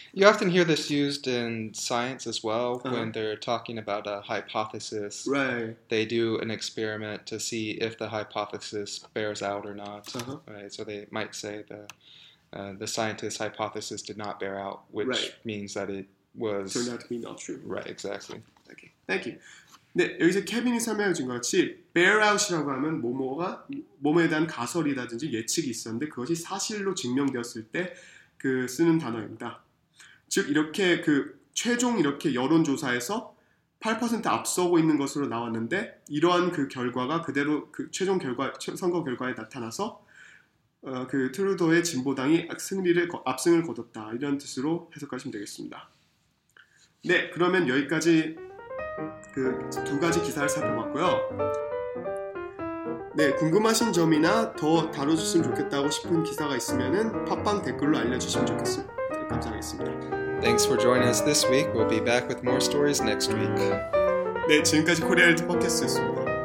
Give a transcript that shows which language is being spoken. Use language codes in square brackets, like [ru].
[en] You often hear this used in science as well, uh-huh. when they're talking about a hypothesis. Right. They do an experiment to see if the hypothesis bears out or not. Uh-huh. Right. So they might say the scientist's hypothesis did not bear out, which right. means that it was... Turned out to be not true. Right, exactly. Okay, thank you. [ko] 네, 여기서 케빈이 설명해준 것 같이 [en] bear out [ko] 이라고 하면 뭐뭐가 몸에 대한 가설이라든지 예측이 있었는데 그것이 사실로 증명되었을 때 그 쓰는 단어입니다. 즉 이렇게 그 최종 이렇게 여론조사에서 8% 앞서고 있는 것으로 나왔는데 이러한 그 결과가 그대로 그 최종 결과 선거 결과에 나타나서 그 트루도의 진보당이 압승을 거뒀다 이런 뜻으로 해석하시면 되겠습니다. 네, 그러면 여기까지 그 두 가지 기사를 살펴봤고요. 네, 궁금하신 점이나 더 다뤄줬으면 좋겠다고 싶은 기사가 있으면은 팟빵 댓글로 알려주시면 좋겠습니다. 감사하겠습니다. [en] Thanks for joining us this week. We'll be back with more stories next week. [ko] 네, 지금까지 코리아 일드 팟캐스트였습니다.